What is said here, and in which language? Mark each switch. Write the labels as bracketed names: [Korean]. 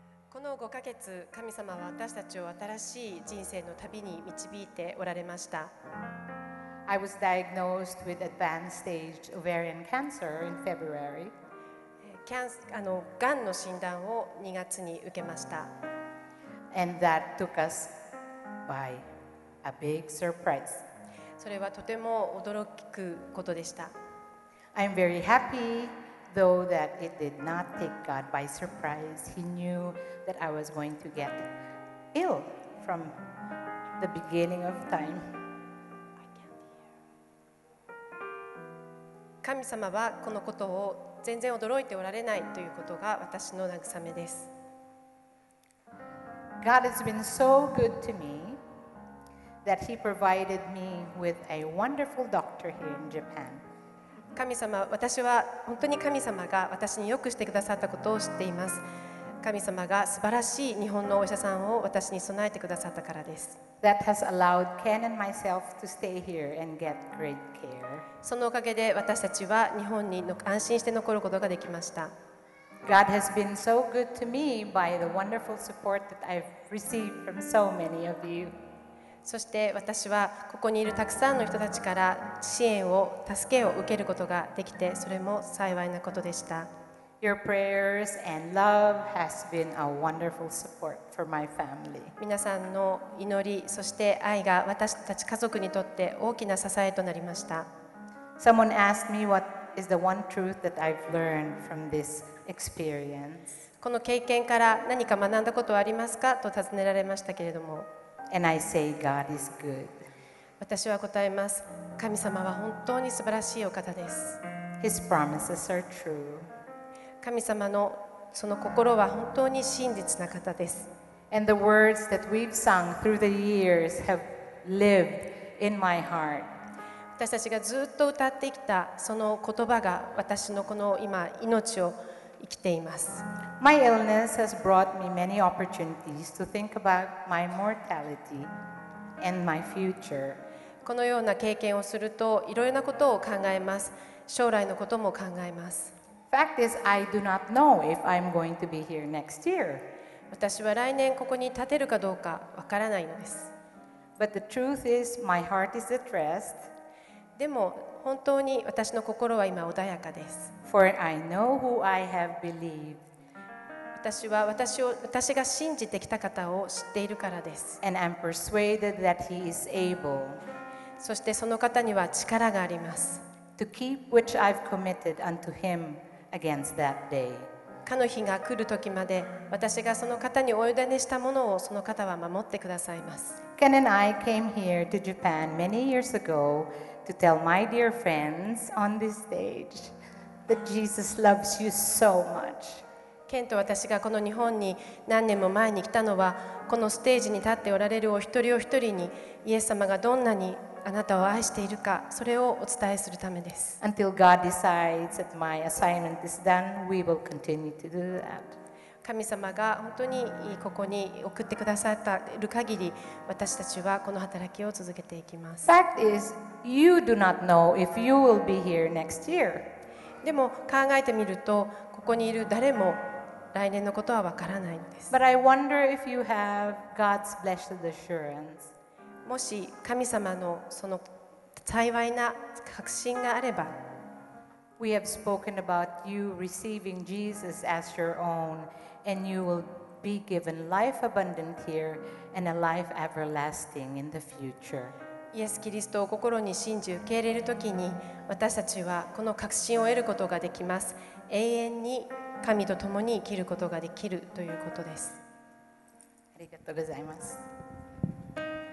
[Japanese] この5ヶ月、神様は私たちを新しい人生の旅に導いておられました。 [English] I was diagnosed with advanced stage ovarian cancer in February. [Japanese] がんの診断を2月に受けました。 [English] And that took us by a big surprise. [Japanese] それはとても驚くことでした。 [English] I'm very happy though that it did not take God by surprise. He knew that I was going to get ill from the beginning of time. [Japanese] 神様はこのことを全然驚いておられないということが私の慰めです。 [English] God has been so good to me that He provided me with a wonderful doctor here in Japan. [Japanese] 神様、私は本当に神様が私に良くしてくださったことを知っています。神様が素晴らしい日本のお医者さんを私に備えてくださったからです。 [English] That has allowed Ken and myself to stay here and get great care. [Japanese] そのおかげで私たちは日本に安心して残ることができました。 [English] God has been so good to me by the wonderful support that I've received from so many of you. [Japanese] そして私はここにいるたくさんの人たちから支援を、助けを受けることができて、それも幸いなことでした。 [English] Your prayers and love has been a wonderful support for my family. [Japanese] 皆さんの祈り、そして愛が私たち家族にとって大きな支えとなりました。 [English] Someone asked me what is the one truth that I've learned from this experience. [Japanese] この経験から何か学んだことはありますかと尋ねられましたけれども。 [English] And I say God is good. [Japanese] 私は答えます。神様は本当に素晴らしいお方です。 [English] His promises are true. [Japanese] 神様のその心は本当に真実な方です。 [English] And the words that we've sung through the years have lived in my heart. [Japanese] 私たちがずっと歌ってきたその言葉が私のこの今命を生きています。 [English] My illness has brought me many opportunities to think about my mortality and my future. [Japanese] このような経験をするといろいろなことを考えます。将来のことも考えます。 [English] Fact is, I do not know if I'm going to be here next year. [Japanese] 私は来年ここに立てるかどうかわからないのです。 [English] But the truth is, my heart is at rest. [Japanese] でも本当に私の心は今穏やかです。 [English] For I know who I have believed. [Japanese] 私は私が信じてきた方を知っているからです。 [English] And I'm persuaded that He is able. [Japanese] そしてその方には力があります。 [English] To keep which I've committed unto Him. Against that day. [Japanese] かの日が来る時まで私がその方にお委ねしたものをその方は守ってくださいます。 [English] Ken and I came here to Japan many years ago to tell my dear friends on this stage that Jesus loves you so much. [Japanese] Ken と私がこの日本に何年も前に来たのはこのステージに立っておられるお一人お一人にイエス様がどんなにあなたを愛しているか、それをお伝えするためです。 [English] Until God decides that my assignment is done, we will continue to do that. [Japanese] 神様が本当にここに送ってくださった限り、私たちはこの働きを続けていきます。 [English] Fact is, you do not know if you will be here next year. [Japanese] でも考えてみると、ここにいる誰も来年のことはわからないのです。 [English] But I wonder if you have God's blessed assurance. [Japanese] もし神様のその幸いな確信があれば、 [English] We have spoken about you receiving Jesus as your own, and you will be given life abundant here and a life everlasting in the future. [Japanese] イエス・キリストを心に信じ受け入れるときに、私たちはこの確信を得ることができます。永遠に神と共に生きることができるということです。ありがとうございます。